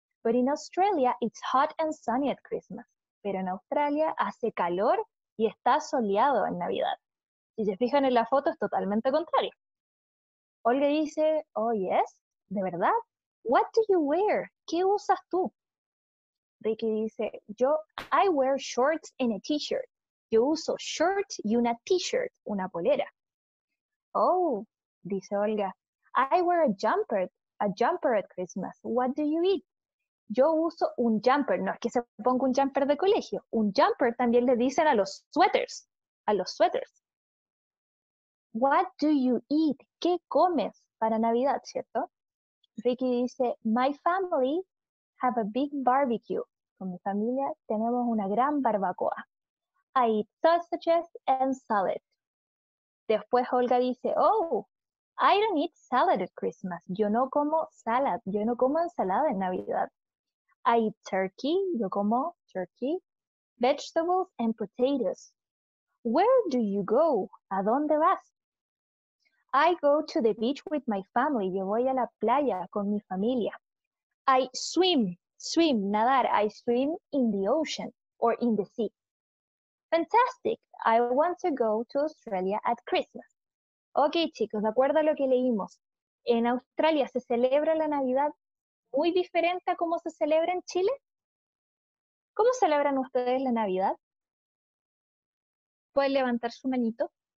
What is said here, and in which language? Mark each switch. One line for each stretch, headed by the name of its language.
English: But in Australia, it's hot and sunny at Christmas.
Spanish: Pero en Australia hace calor y está soleado en Navidad. Si se fijan en la foto, es totalmente contrario. Olga dice,
English: oh yes,
Spanish: ¿de verdad?
English: What do you wear?
Spanish: ¿Qué usas tú? Ricky dice,
English: I wear shorts and a t-shirt.
Spanish: Yo uso shorts y una t-shirt, una polera.
English: Oh,
Spanish: dice Olga,
English: I wear a jumper at Christmas. What do you eat?
Spanish: Yo uso un jumper. No es que se ponga un jumper de colegio. Un jumper también le dicen a los sweaters. A los sweaters.
English: What do you eat?
Spanish: ¿Qué comes para Navidad, cierto? Ricky dice,
English: my family have a big barbecue.
Spanish: Con mi familia tenemos una gran barbacoa.
English: I eat sausages and salad.
Spanish: Después Olga dice,
English: oh, I don't eat salad at Christmas.
Spanish: Yo no como salad. Yo no como ensalada en Navidad.
English: I eat turkey.
Spanish: Yo como
English: turkey, vegetables and potatoes. Where do you go?
Spanish: ¿A dónde vas?
English: I go to the beach with my family.
Spanish: Yo voy a la playa con mi familia.
English: I swim, nadar. I swim in the ocean or in the sea. Fantastic. I want to go to Australia at Christmas.
Spanish: Ok, chicos, de acuerdo a lo que leímos. En Australia se celebra la Navidad muy diferente a cómo se celebra en Chile. ¿Cómo celebran ustedes la Navidad? ¿Pueden levantar su manito?